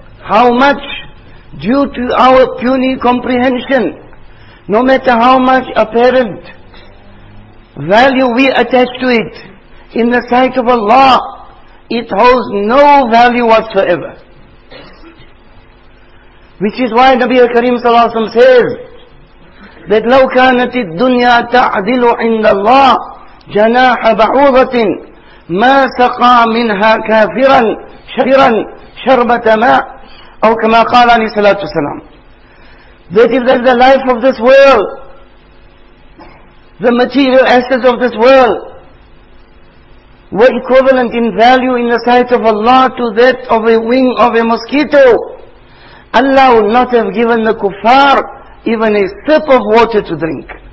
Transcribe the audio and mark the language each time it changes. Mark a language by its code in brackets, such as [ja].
[en] how much due to our puny comprehension, no matter how much apparent value we attach to it, in the sight of Allah, it holds no value whatsoever. Which is why Nabi Karim sallallahu alaihi wasallam says that [ar] لو كانت الدنيا تعدل عند الله جناح بعوضة ما سقى منها كافرا شرا شربة ماء أو كما قال عليه الصلاة والسلام. [en] That if the life of this world, the material assets of this world, were equivalent in value in the sight of Allah to that of a wing of a mosquito, Allah would not have given the kuffar even a sip of water to drink.